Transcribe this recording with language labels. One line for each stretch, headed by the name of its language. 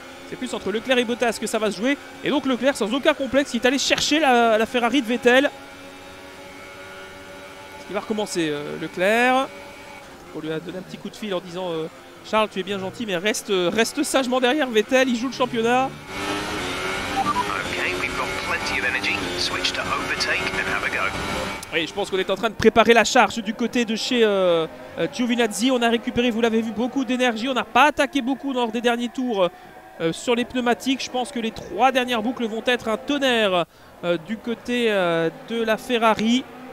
French: C'est plus entre Leclerc et Bottas que ça va se jouer. Et donc Leclerc, sans aucun complexe, il est allé chercher la Ferrari de Vettel. Il va recommencer Leclerc. On lui a donné un petit coup de fil en disant Charles, tu es bien gentil, mais reste sagement derrière Vettel, il joue le championnat.
English: Okay, we've got plenty of energy. Switch to overtake and have a go.
French: Oui, je pense qu'on est en train de préparer la charge du côté de chez Giovinazzi. On a récupéré, vous l'avez vu, beaucoup d'énergie. On n'a pas attaqué beaucoup lors des derniers tours sur les pneumatiques. Je pense que les trois dernières boucles vont être un tonnerre du côté de la Ferrari.